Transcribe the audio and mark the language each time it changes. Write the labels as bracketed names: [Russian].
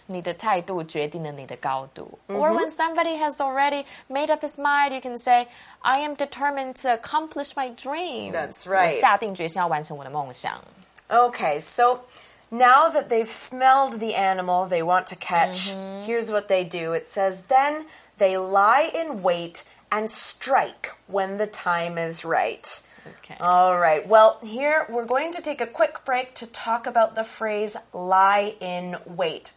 [Chinese] 你的态度决定了你的高度。 Mm-hmm. [English] Or when somebody has already made up his mind, you can say... I am determined to accomplish my dreams. That's right. [Chinese] 我下定决心要完成我的梦想。 [English] Okay, so now that they've smelled the animal they want to catch,、 mm-hmm. here's what they do. It says, then they lie in wait and strike when the time is right. Okay. All right. Well, here we're going to take a quick break to talk about the phrase lie in wait.